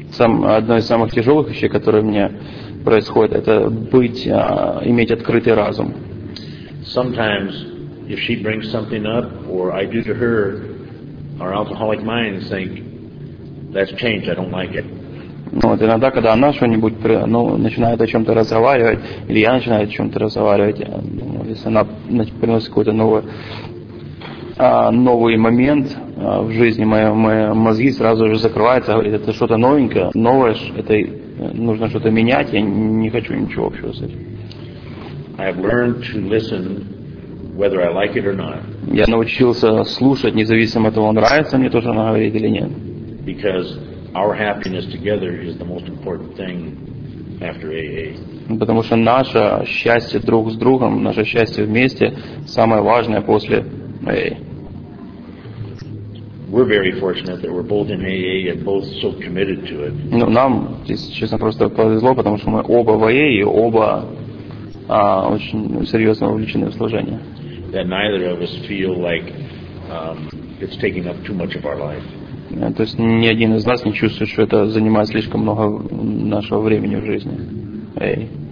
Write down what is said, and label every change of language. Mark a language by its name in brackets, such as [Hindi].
[Russian] Одно из самых тяжелых вещей, которые мне происходит, это иметь открытый разум. [English] Sometimes, if she brings something up or I do to her, our alcoholic minds think, that's changed, I don't like it. [Russian] Иногда, когда она что-нибудь начинает о чем-то разговаривать, или я начинаю о чем-то разговаривать, если она приносит какой-то новый момент в жизни, мои мозги сразу же закрываются, говорят, это что-то новое, это нужно что-то менять, я не хочу ничего общего с этим. [English] I have learned to listen whether I like it or not. [Russian] Я научился слушать, независимо от того, нравится мне то, что она говорит или нет. [English] Because our happiness together is the most important thing after AA. [Russian] Потому что наше счастье друг с другом, наше счастье вместе самое важное после AA. [English] We're very fortunate that we're both in AA and both so committed to it. [Russian] Нам, если честно, просто повезло, потому что мы оба в AA и оба очень серьезно вовлечены в служение. [English] that neither of us feel like it's taking up too much of our life. [Russian] То есть ни один из нас не чувствует, что это занимает слишком много нашего времени в жизни. Эй.